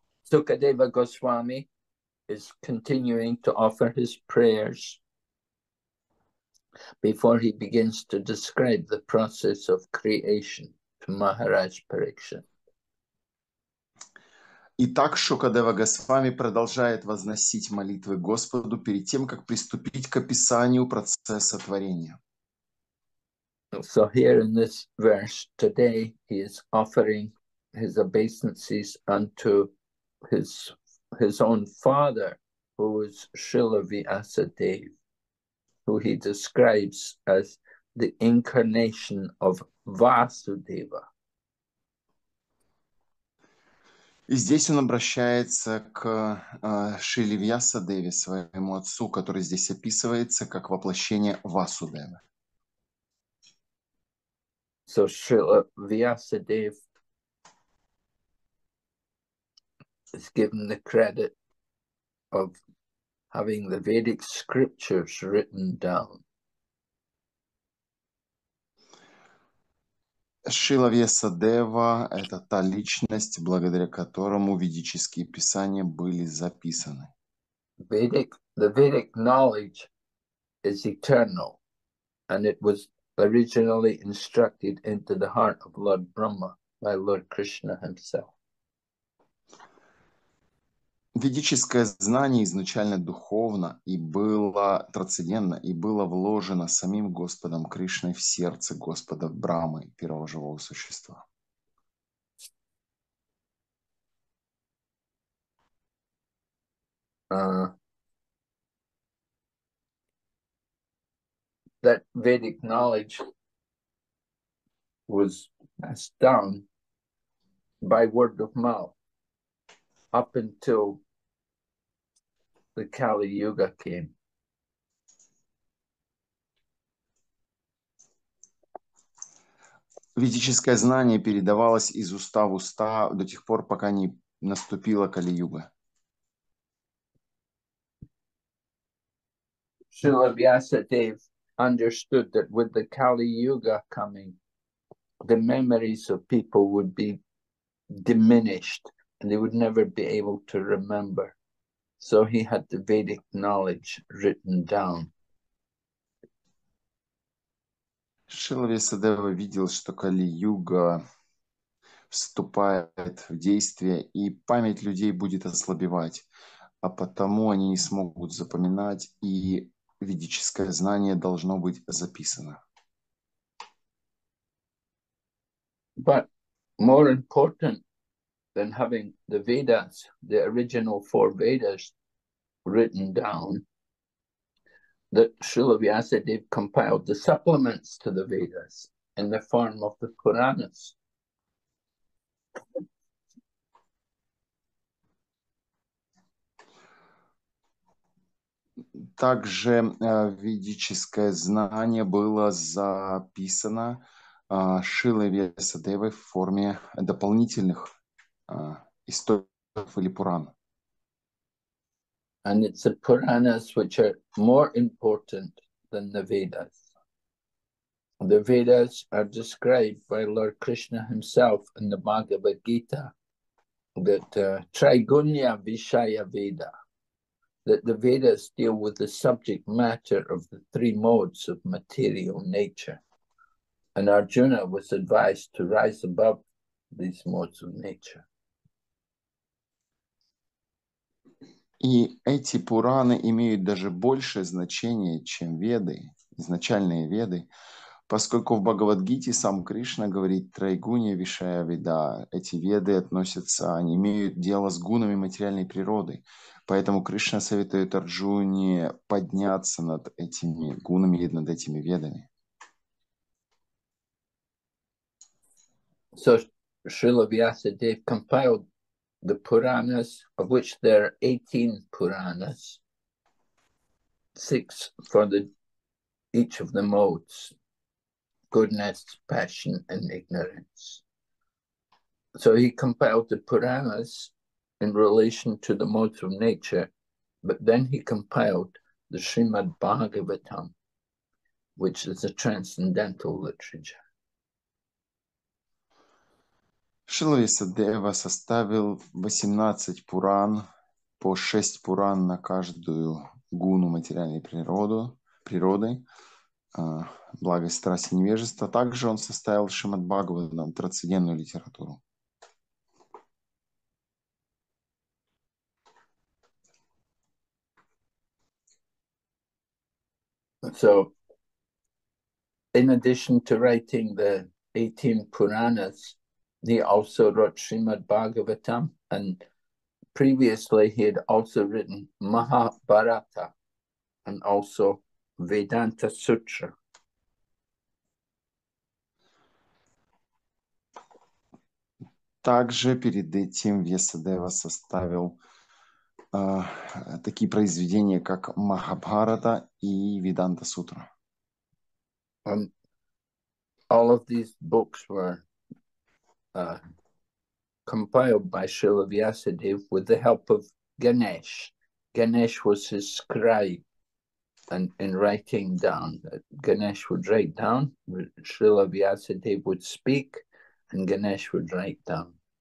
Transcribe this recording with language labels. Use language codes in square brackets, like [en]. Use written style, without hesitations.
[en] Sukadeva Goswami is continuing to offer his prayers before he begins to describe the process of creation to Maharaj Parikshit. [ru] Итак, Шукадева Госвами продолжает возносить молитвы Господу перед тем, как приступить к описанию процесса творения. [en] So here in this verse today he is offering his obeisances unto his own father, who is Srila Vyasadeva, who he describes as the incarnation of Vasudeva. [ru] И здесь он обращается к Шриле Вьясадеве, своему отцу, который здесь описывается как воплощение Васудевы. [en] So Srila Vyasadeva is given the credit of having the Vedic scriptures written down. [ru] Шрила Вьясадева – это та личность, благодаря которому ведические писания были записаны. [en] The Vedic knowledge is eternal, and it was originally instructed into the heart of Lord Brahma by Lord Krishna himself. [ru] Ведическое знание изначально духовно и было трансцендентно и было вложено самим Господом Кришной в сердце Господа Брамы, первого живого существа. [en] That Vedic knowledge was passed down by word of mouth up until the Kali Yuga came. [ru] Ведическое знание передавалось из уста в уста до тех пор, пока не наступила Кали-юга. [en] Srila Vyasadeva understood that with the Kali Yuga coming, the memories of people would be diminished and they would never be able to remember. So he had the Vedic knowledge written down. [ru] Шрила Вьясадева видел, что Кали-юга вступает в действие, и память людей будет ослабевать, а потому они не смогут запоминать, и ведическое знание должно быть записано. [en] But more important than having the Vedas, the original four Vedas, written down, that Srila Vyasadeva compiled the supplements to the Vedas in the form of the Puranas. [ru] Также ведическое знание было записано Шрилой Вьясадевой в форме дополнительных историков или Пурана. [en] And it's the Puranas which are more important than the Vedas. The Vedas are described by Lord Krishna himself in the Bhagavad Gita, that Trigunya Vishaya Veda, that the Vedas deal with the subject matter of the three modes of material nature. And Arjuna was advised to rise above these modes of nature. [ru] И эти Пураны имеют даже большее значение, чем Веды, изначальные Веды, поскольку в Бхагавадгите сам Кришна говорит «Трайгуни Вишая Веда». Эти Веды относятся, они имеют дело с гунами материальной природы, поэтому Кришна советует Арджуне подняться над этими гунами и над этими Ведами. [en] So Srila Vyasa Dev compiled the Puranas, of which there are 18 Puranas, six for the each of the modes, goodness, passion, and ignorance. So he compiled the Puranas in relation to the modes of nature, but then he compiled the Srimad Bhagavatam, which is a transcendental literature. [ru] Шрила Вьясадева составил 18 пуран, по 6 пуран на каждую гуну материальной природы, благость, страсть и невежество. Также он составил Шримад Бхагаватам, трансцендентную литературу. [en] So, in addition to writing the 18 Puranas, he also wrote Srimad Bhagavatam, and previously he had also written Mahabharata and also Vedanta Sutra. [ru] Также перед этим Вьясадева составил такие произведения, как Махабхарата и Веданта Сутра. [en] All of these books were compiled by Srila Vyasadeva with the help of Ganesh. Ganesh was his scribe, and in writing down, Ganesh would write down, Srila Vyasadeva would speak, and Ganesh would write down.